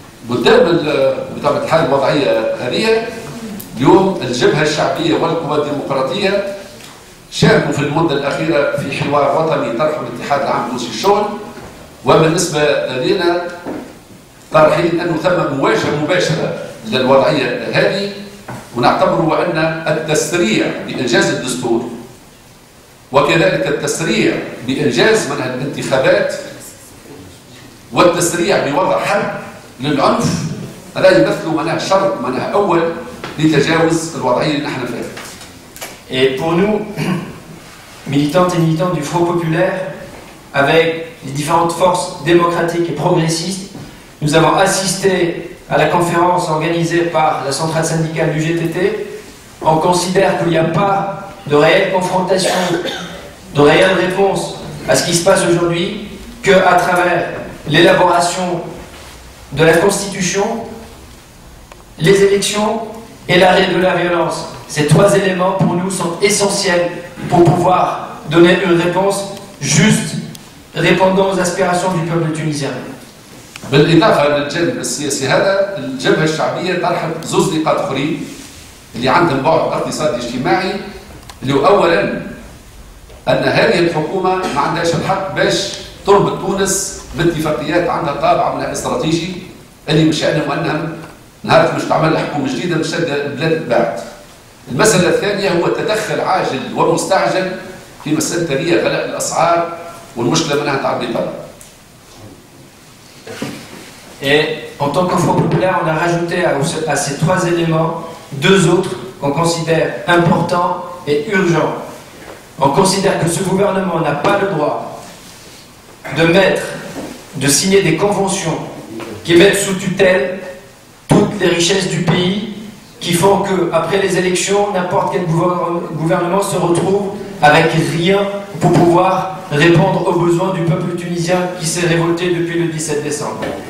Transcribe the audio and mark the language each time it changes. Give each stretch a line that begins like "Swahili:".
Arabic: قدام بطبعة الحال الوضعية هذه اليوم الجبهة الشعبية والقوى الديمقراطية شاركوا في المدة الأخيرة في حوار وطني طرح الاتحاد العام لتونسي الشغل وبالنسبة لنا طرحين أنه ثم مواجهة مباشرة للوضعية هذه ونعتبر أن التسريع بإنجاز الدستور وكذلك التسريع بإنجاز منها الانتخابات والتسريع بوضع حرب للعنف هذا يمثل معناها شرط معناها اول لتجاوز الوضعيه اللي نحن فيها.
French: Et pour nous, militantes et militants du Front Populaire, avec les différentes forces démocratiques et progressistes, nous avons assisté à la conférence organisée par la centrale syndicale du GTT. On considère qu'il n'y a pas de réelle confrontation, de réelle réponse à ce qui se passe aujourd'hui qu'à travers l'élaboration de la Constitution, les élections et l'arrêt de la violence. Ces trois éléments, pour nous, sont essentiels pour pouvoir donner une réponse juste répondant aux aspirations du peuple tunisien.
Arabic: بالإضافة للجانب السياسي هذا، الجبهة الشعبية طرحت زوز نقاط أخرين اللي عندهم بعد اقتصادي اجتماعي اللي هو أولاً أن هذه الحكومة ما عندهاش الحق باش تربط تونس باتفاقيات عندها طابع من استراتيجي اللي من شأنه أنها نعرف مش تعمل حكومة جديدة مش تبدأ البلاد بعد. المسألة الثانية هو تدخل عاجل ومستعجل في مسألة تانية غلاء الأسعار والمشكلة منها تعدي طلب.
French: Et en tant que Front Populaire, on a rajouté à ces trois éléments deux autres qu'on considère importants et urgents. On considère que ce gouvernement n'a pas le droit de signer des conventions qui mettent sous tutelle toutes les richesses du pays, qui font que, après les élections, n'importe quel gouvernement se retrouve avec rien pour pouvoir répondre aux besoins du peuple tunisien qui s'est révolté depuis le 17 décembre.